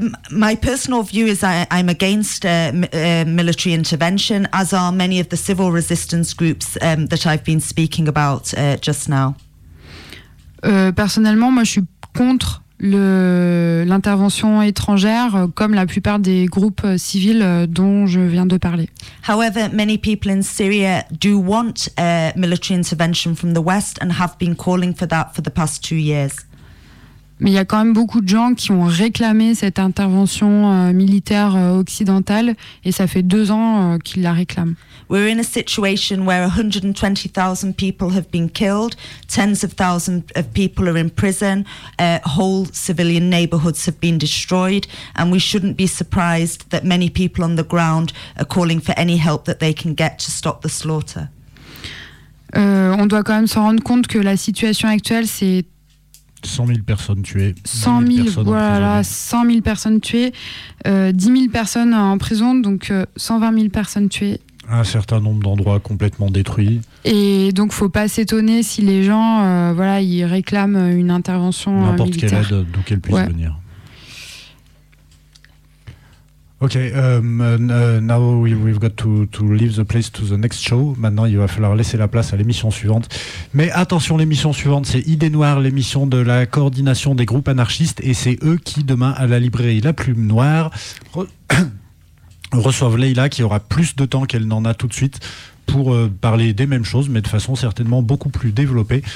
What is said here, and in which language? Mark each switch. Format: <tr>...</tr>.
<en>My personal view is I'm against military intervention, as are many of the civil resistance groups that I've been speaking about just now.</en> <fr>Personnellement, moi, je suis contre l'intervention étrangère, comme la plupart des groupes civils dont je viens de parler.</fr> <en>However, many people in Syria do want military intervention from the West and have been calling for that for the past 2 years.</en> <fr>Mais il y a quand même beaucoup de gens qui ont réclamé cette intervention militaire occidentale et ça fait 2 ans qu'ils la réclament.</fr> <en>We're in a situation where 120,000 people have been killed, tens of thousands of people are in prison, whole civilian neighborhoods have been destroyed, and we shouldn't be surprised that many people on the ground are calling for any help that they can get to stop the slaughter.</en> <fr>On doit quand même se rendre compte que la situation actuelle, c'est 100 000 personnes tuées. 100 000, voilà, 100 000 personnes tuées. 10 000 personnes en prison, donc 120 000 personnes tuées. Un certain nombre d'endroits complètement détruits. Et donc, il ne faut pas s'étonner si les gens voilà, ils réclament une intervention N'importe militaire. N'importe quelle aide, d'où qu'elle puisse ouais. venir.</fr> <en>Ok, now we've got to leave the place to the next show.</en> <fr>Maintenant, il va falloir laisser la place à l'émission suivante. Mais attention, l'émission suivante, c'est Idées Noires, l'émission de la coordination des groupes anarchistes. Et c'est eux qui, demain, à la librairie La Plume Noire, reçoivent Leïla, qui aura plus de temps qu'elle n'en a tout de suite pour parler des mêmes choses, mais de façon certainement beaucoup plus développée.</fr>